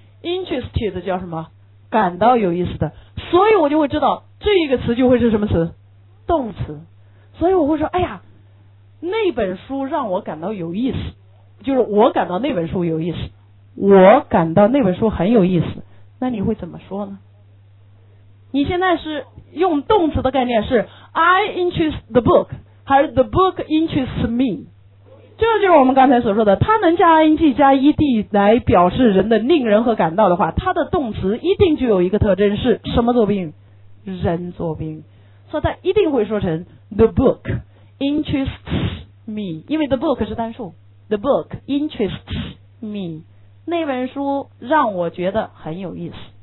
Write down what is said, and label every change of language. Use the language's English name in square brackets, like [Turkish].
[Chinese] interested 叫什么？感到有意思的。所以我就会知道这一个词就会是什么词？动词。所以我会说，哎呀，那本书让我感到有意思，就是我感到那本书有意思，我感到那本书很有意思。那你会怎么说呢？你现在是用动词的概念，是 [English] I interest the book [Chinese] 还是 [English] the book interests me？ [Chinese] 这就是我们刚才所说的，它能加 ing 加 ed 来表示人的令人和感到的话，它的动词一定具有一个特征，是什么作宾？人作宾。所以它一定会说成 [English] the book interests me， [Chinese] 因为 the book 是单数， the book interests me， 那本书让我觉得很有意思。